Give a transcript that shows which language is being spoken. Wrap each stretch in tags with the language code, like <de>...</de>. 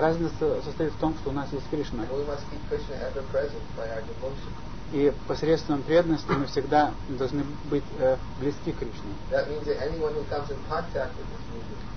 <ru>Разница состоит в том, что у нас есть Кришна.</ru> <en>And we must keep Krishna ever present by our devotion.</en> <ru>И посредством преданности мы всегда должны быть близки к Кришне.</ru> <en>That means that anyone who comes in contact with this movement.</en>